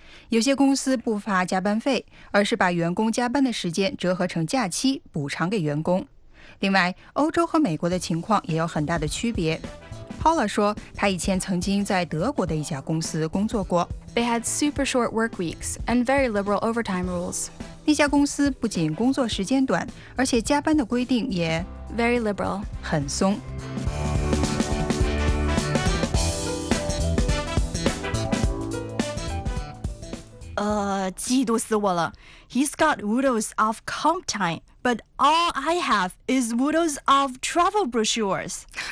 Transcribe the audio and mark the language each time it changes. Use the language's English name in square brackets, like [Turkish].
[Chinese] 有些公司不发加班费，而是把员工加班的时间折合成假期，补偿给员工。另外，欧洲和美国的情况也有很大的区别。 Paula 说，他以前曾经在德国的一家公司工作过。 [English] They had super short work weeks and very liberal overtime rules. [Chinese] 那家公司不仅工作时间短，而且加班的规定也 [English] very liberal. [Chinese] 很松。嫉妒死我了。 [English] He's got woodos of comp time, but all I have is woodos of travel brochures.